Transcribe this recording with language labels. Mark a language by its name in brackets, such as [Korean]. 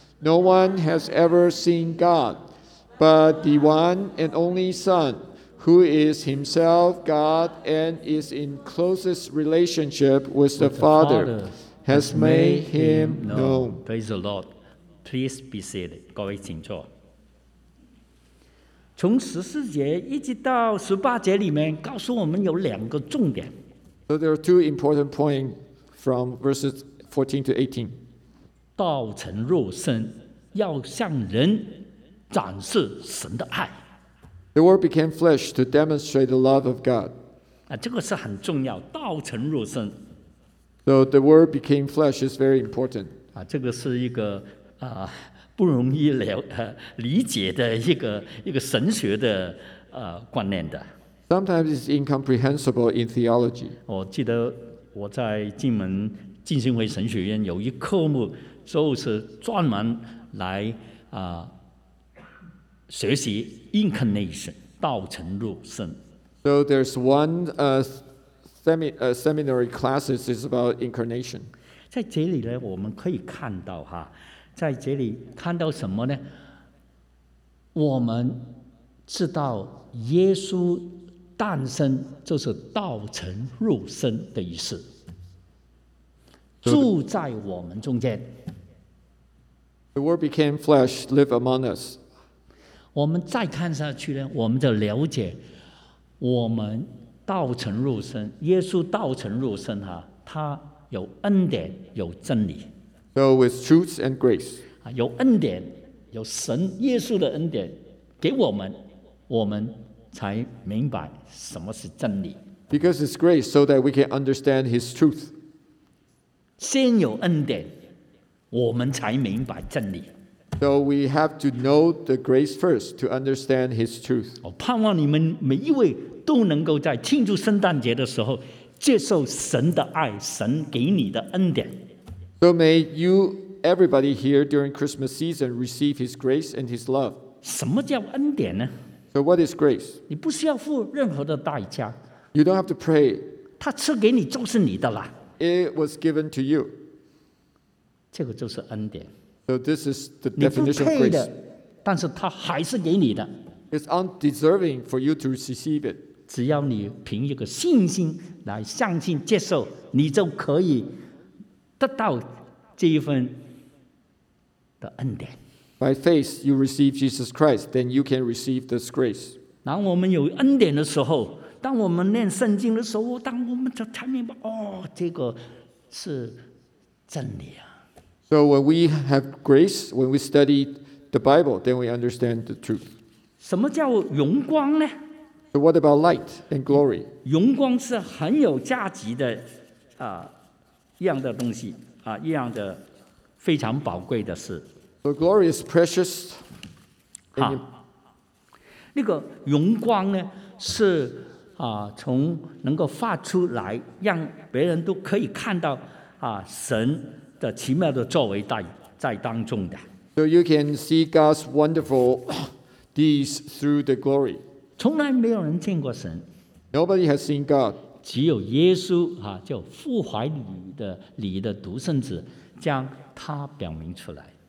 [English] No one has ever seen God, but the one and only Son, who is himself God and is in closest relationship with the Father, has made him known. Praise the Lord. Please be seated. [Chinese] 各位请坐。从十四节一直到十八节里面告诉我们有两个重点。 [English] So there are two important points from verses 14 to 18. [Chinese] 道成肉身，要向人展示神的爱。 [English] The Word became flesh to demonstrate the love of God. [Chinese] 啊，这个是很重要。道成肉身。 [English] So the Word became flesh is very important. [Chinese] 啊，这个是一个啊不容易了理解的一个神学的观念的。 [English] Sometimes it's incomprehensible in theology. [Chinese] 我记得我在进门浸信会神学院有一科目。就是专门来学习 incarnation 道成肉身。 [English] So there's one seminary classes is about incarnation. [Chinese] 在这里呢，我们可以看到哈，在这里看到什么呢？我们知道耶稣诞生就是道成肉身的意思，住在我们中间。 [English] The Word became flesh, live among us. [Chinese] 我们再看下去呢，我们就了解，我们道成肉身，耶稣道成肉身哈，他有恩典，有真理。 [English] So with truth and grace. [Chinese] 有恩典，有神耶稣的恩典给我们，我们才明白什么是真理。 [English] Because it's grace, so that we can understand His truth. [Chinese] 先有恩典，我们才明白真理。 [English] So we have to know the grace first to understand His truth. [Chinese] 我盼望你们每一位都能够在庆祝圣诞节的时候接受神的爱，神给你的恩典。 [English] So may you, everybody here during Christmas season, receive His grace and His love. [Chinese] 什么叫恩典呢？ [English] So what is grace? [Chinese] 你不需要付任何的代价。 [English] You don't have to pray. [Chinese] 他赐给你就是你的了。 [English] It was given to you. [Chinese] 这个就是恩典。 [English] So this is the definition of grace. [Chinese] 你不配的，但是他还是给你的。 [English] It's undeserving for you to receive it. [Chinese] 只要你凭一个信心来相信接受，你就可以得到这一份的恩典。 [English] By faith you receive Jesus Christ, then you can receive this grace. [Chinese] 当我们有恩典的时候，当我们念圣经的时候，当我们才明白，哦，这个是真理啊。 [English] So when we have grace, when we study the Bible, then we understand the truth. [Chinese] 什么叫荣光呢？ [English] So what about light and glory? [Chinese] 荣光是很有价值的，一样的东西，一样的非常宝贵的事。 [English] So glory is precious. [Chinese] 那个荣光呢，是从能够发出来，让别人都可以看到神的奇妙的作为在当中的。 [English] So you can see God's wonderful deeds through the glory. [Chinese] 从来没有人见过神。 [English] Nobody has seen God. [Chinese] 只有耶稣就父怀里的里的独生子，将他表明出来。